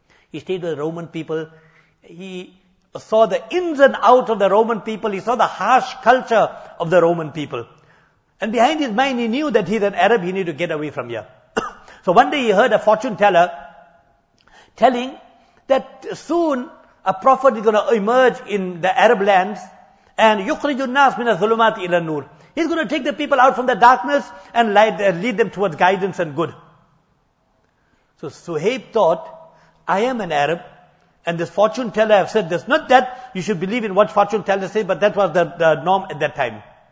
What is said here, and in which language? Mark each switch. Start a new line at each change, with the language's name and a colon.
English: He stayed with the Roman people. He saw the ins and outs of the Roman people. He saw the harsh culture of the Roman people. And behind his mind, he knew that he's an Arab. He needed to get away from here. So one day he heard a fortune teller telling that soon a prophet is going to emerge in the Arab lands.
Arabic: And يُخْرِجُ النَّاسِ مِنَ الظُّلُمَاتِ إِلَى النُّورِ.
English: He's going to take the people out from the darkness and lead them towards guidance and good. So Suhaib thought, I am an Arab, and this fortune teller have said this. Not that you should believe in what fortune tellers say, but that was the norm at that time.